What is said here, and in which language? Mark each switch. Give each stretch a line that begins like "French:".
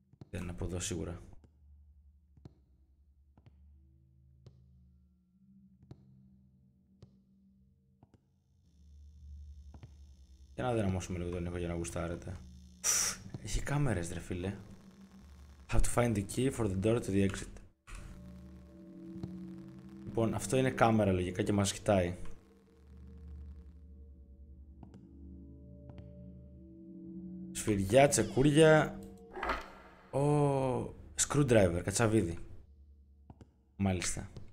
Greek: Δεν είναι από εδώ σίγουρα. Για να δυναμώσουμε λίγο τον ήχο για να γουστάρετε. Έχει κάμερες, ρε φίλε.
English: Have to find the key for the door to the exit.
Greek: Λοιπόν, αυτό είναι κάμερα λογικά και μας κοιτάει. Σφυριά, τσεκούρια. Ο... Screwdriver, κατσαβίδι. Μάλιστα.